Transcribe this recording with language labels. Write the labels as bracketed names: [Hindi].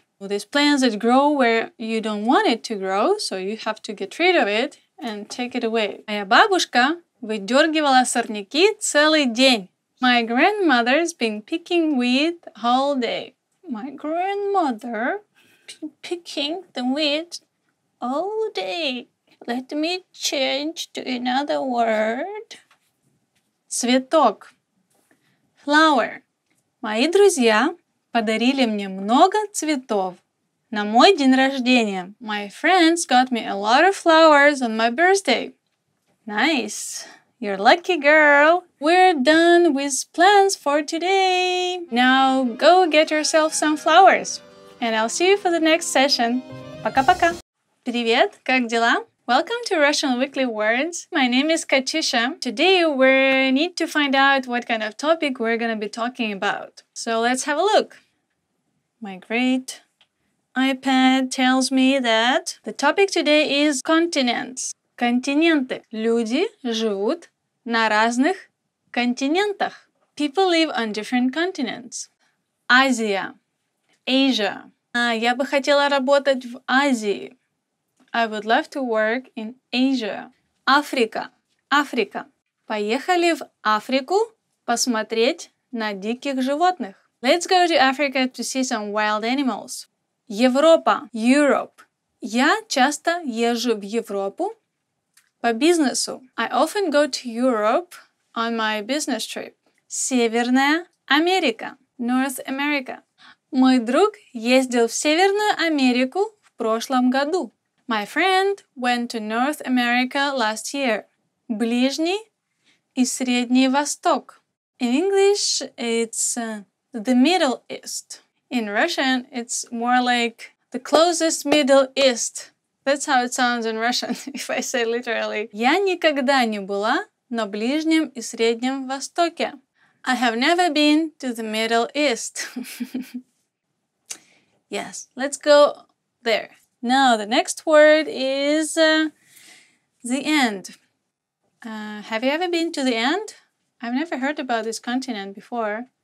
[English] Well, these plants that grow where you don't want it to grow, so you have to get rid of it and take it away. [Russian] Моя бабушка выдергивала сорняки целый день. [English] My grandmother's been picking weed all day. My grandmother been picking the weed all day. Let me change to another word. Цветок. Flower. [Russian] Мои друзья подарили мне много цветов на мой день рождения. [English] My friends got me a lot of flowers on my birthday. Nice. You're lucky girl. We're done with plans for today. Now go get yourself some flowers. And I'll see you for the next session. [Russian] Пока-пока. Привет, как дела? [English] Welcome to Russian Weekly Words. My name is Katyusha. Today we need to find out what kind of topic we're gonna be talking about. So let's have a look. My great iPad tells me that the topic today is continents. [Russian] Континенты. Люди живут на разных континентах. [English] People live on different continents. Азия. Asia. [Russian] Я бы хотела работать в Азии. [English] I would love to work in Asia. [Russian] Африка. Африка. Поехали в Африку посмотреть на диких животных. [English] Let's go to Africa to see some wild animals. [Russian] Европа. [English] Europe. [Russian] Я часто езжу в Европу. По бизнесу. [English] I often go to Europe on my business trip. [Russian] Северная Америка. [English] North America. [Russian] Мой друг ездил в Северную Америку в прошлом году. [English] My friend went to North America last year. [Russian] Ближний и Средний Восток. [English] In English, it's the Middle East. In Russian, it's more like the closest Middle East. That's how it sounds in Russian, if I say literally. [Russian] Я никогда не была на Ближнем и Среднем Востоке. [English] I have never been to the Middle East. Yes, let's go there. Now, the next word is the end. Have you ever been to the end? I've never heard about this continent before.